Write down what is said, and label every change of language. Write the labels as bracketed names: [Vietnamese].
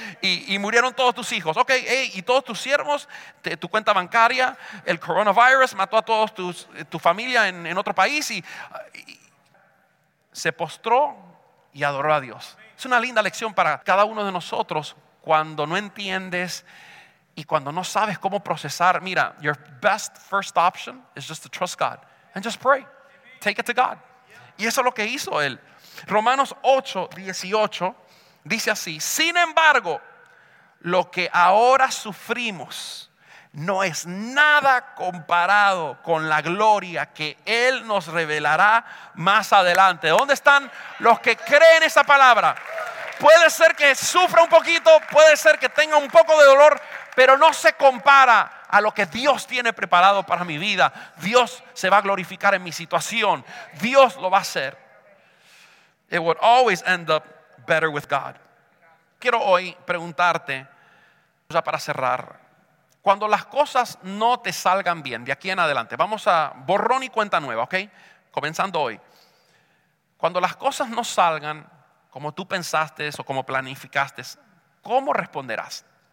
[Spanish] Y murieron todos tus hijos. Ok, hey, y todos tus siervos, tu cuenta bancaria, el coronavirus mató a todos tu familia en otro país. Y se postró y adoró a Dios. Es una linda lección para cada uno de nosotros cuando no entiendes y cuando no sabes cómo procesar. [English] Mira, your best first option is just to trust God and just pray. Take it to God. [Spanish] Y eso es lo que hizo él. Romanos 8:18 dice así: sin embargo, lo que ahora sufrimos no es nada comparado con la gloria que Él nos revelará más adelante. ¿Dónde están los que creen esa palabra? Puede ser que sufra un poquito, puede ser que tenga un poco de dolor, pero no se compara a lo que Dios tiene preparado para mi vida. Dios se va a glorificar en mi situación. Dios lo va a hacer. [English] It would always end up better with God. [Spanish] Quiero hoy preguntarte, ya para cerrar, cuando las cosas no te salgan bien, de aquí en adelante, vamos a borrón y cuenta nueva, ¿ok? Comenzando hoy. Cuando las cosas no salgan como tú pensaste o como planificaste, ¿cómo responderás?